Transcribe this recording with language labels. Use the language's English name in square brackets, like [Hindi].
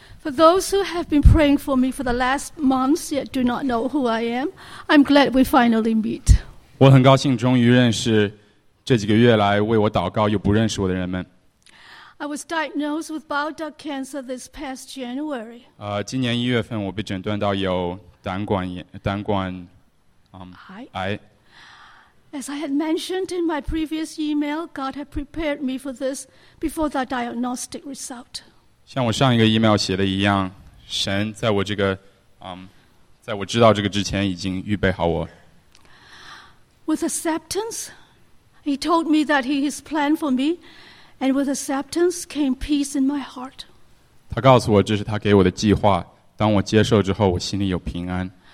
[English] For those who have been praying for me for the last months yet do not know who I am, I'm glad we finally meet. [Chinese] 我很高兴终于认识这几个月来为我祷告又不认识我的人们。 [English] I was diagnosed with bile duct cancer this past January. [Chinese] 今年一月份我被诊断到有胆管癌。 [English] As I had mentioned in my previous email, God had prepared me for this before the diagnostic result. [Chinese] 像我上一个 email 写的一样，神在我这个，在我知道这个之前已经预备好我。 [English] With acceptance, He told me that He has planned for me, and with acceptance came peace in my heart. [Chinese] 他告诉我这是他给我的计划，当我接受之后，我心里有平安。